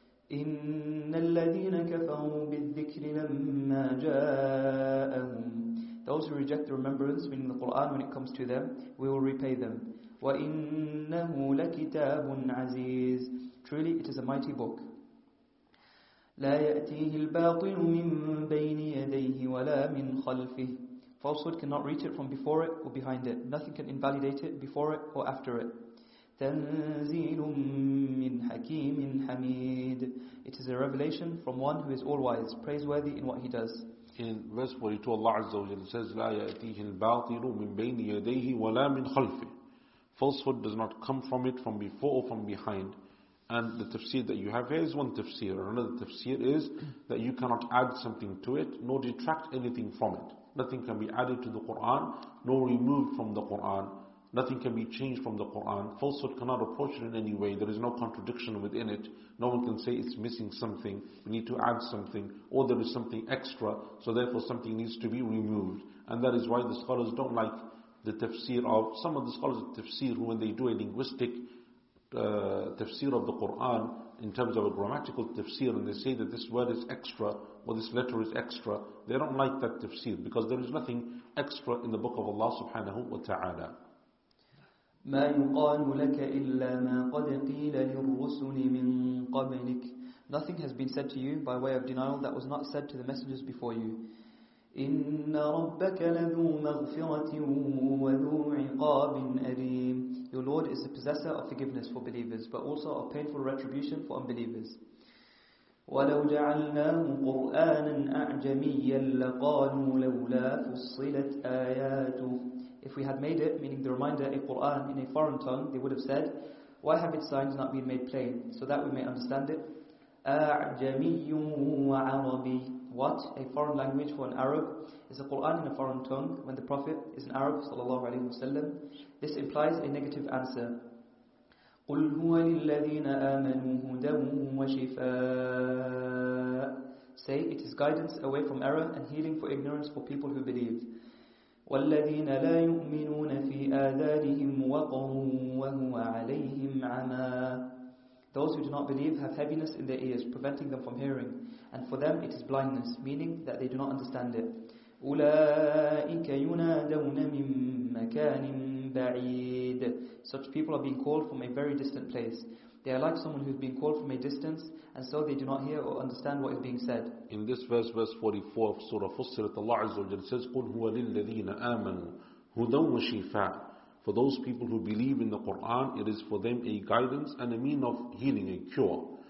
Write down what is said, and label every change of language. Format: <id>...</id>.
<ar>إن الذين كفروا بالذكر لما جاءهم.</ar> <en>Those who reject the remembrance, meaning the Quran, when it comes to them, we will repay them.</en> <ar>وإنه لكتاب عزيز.</ar> <en>Truly, it is a mighty book.</en> <ar>لا يأتيه الباطل من بين يديه ولا من خلفه.</ar> <en>Falsehood cannot reach it from before it or behind it. Nothing can invalidate it before it or after it.</en> <ar>تنزيل من حكيم حميد.</ar> <en>It is a revelation from one who is all wise, praiseworthy in what he does. In verse 42, Allah Azza wa Jalla says,</en> <ar>لا يأتيه الباطل من بين يديه ولا من خلفه.</ar> <en>Falsehood does not come from it from before or from behind. And the tafsir that you have here is one tafsir. Another tafsir is that you cannot add something to it, nor detract anything from it. Nothing can be added to the Qur'an, nor removed from the Qur'an. Nothing can be changed from the Qur'an. Falsehood cannot approach it in any way. There is no contradiction within it. No one can say it's missing something, we need to add something, or there is something extra, so therefore something needs to be removed. And that is why the scholars don't like the tafsir of, some of the scholars of tafsir, who when they do a linguistic tafsir of the Qur'an, in terms of a grammatical tafsir, and they say that this word is extra or this letter is extra, they don't like that tafsir, because there is nothing extra in the book of Allah subhanahu wa ta'ala.</en> <ar>ما يقال لك إلا ما قد قيل للرسل من قبلك.</ar> <en>Nothing has been said to you by way of denial that was not said to the messengers before you.</en> <ar>إن ربك لذو مغفرة وذو عقاب أليم.</ar> <en>Your Lord is the possessor of forgiveness for believers, but also of painful retribution for unbelievers.</en> <ar>ولو جعلناه قرآنا أعجميا لقالوا لولا فصلت آياته.</ar> <en>If we had made it, meaning the reminder, a Qur'an in a foreign tongue, they would have said, why have its signs not been made plain, so that we may understand it?</en> <ar>أَعْجَمِيٌّ وَعَرَبِي.</ar> <en>What? A foreign language for an Arab? Is a Qur'an in a foreign tongue when the Prophet is an Arab, sallallahu alayhi wa sallam? This implies a negative answer.</en> <ar>قُلْ هُوَ لِلَّذِينَ آمَنُوا هُدًى وَشِفَاءٌ.</ar> <en>Say, it is guidance away from error and healing for ignorance for people who believe.</en> <ar>والذين لا يؤمنون في آذانهم وقر وهو عليهم عمى.</ar> <en>Those who do not believe have heaviness in their ears, preventing them from hearing, and for them it is blindness, meaning that they do not understand it.</en> <ar>أولئك ينادون من مكان بعيد.</ar> <en>Such people are being called from a very distant place. They are like someone who is being called from a distance, and so they do not hear or understand what is being said. In this verse, verse 44 of Surah Fussilat, Allah Azza wa Jalla says,</en> <ar>قُلْ هُوَ لِلَّذِينَ آمَنُوا هُدًى وَشِفَاءٌ.</ar> <en>For those people who believe in the Qur'an, it is for them a guidance and a mean of healing, a cure.</en>